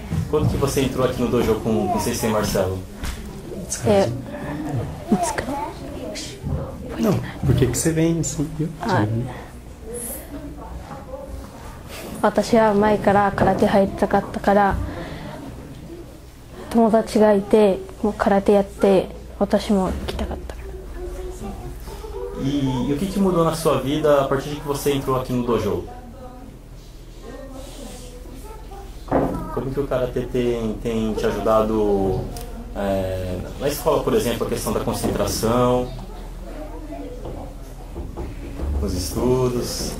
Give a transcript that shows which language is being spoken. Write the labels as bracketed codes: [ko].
[pt] Quando que você entrou aqui no dojo com o Sensei Marcelo? Não, por que que você vem assim, viu? [ja] 私は前から空手入りたかったから友達がいてもう空手やって私も行きたかったから。 [pt] E o que que mudou na sua vida a partir de que você entrou aqui no dojo? como que o karatê tem te ajudado na escola, por exemplo, a questão da concentração, os estudos?